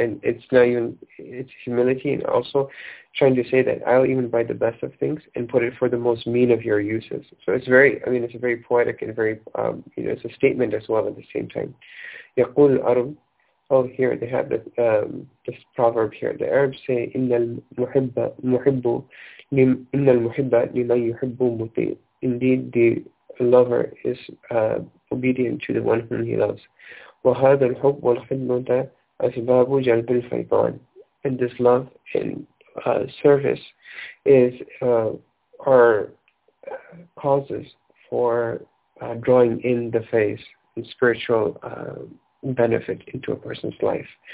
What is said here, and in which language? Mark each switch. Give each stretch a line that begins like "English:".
English: And it's not even, it's humility and also trying to say that I'll even buy the best of things and put it for the most mean of your uses. So it's very, I mean, it's a very poetic and very, you know, it's a statement as well at the same time.
Arabic: يقول العرب,
English: oh, here they have this proverb here. The Arabs say,
Arabic: إِنَّ الْمُحِبَّ مُحِبُّ إن المحب لمن يحب مطيع.
English: Indeed, the a lover is obedient to the one whom he loves.
Arabic: وَهَذَا الْحُبُّ وَالْحِلْمُ ذَا أَسْبَابُ جَلْبِ الْفَيْضَانِ.
English: And this love and service is are causes for drawing in the face and spiritual benefit into a person's life.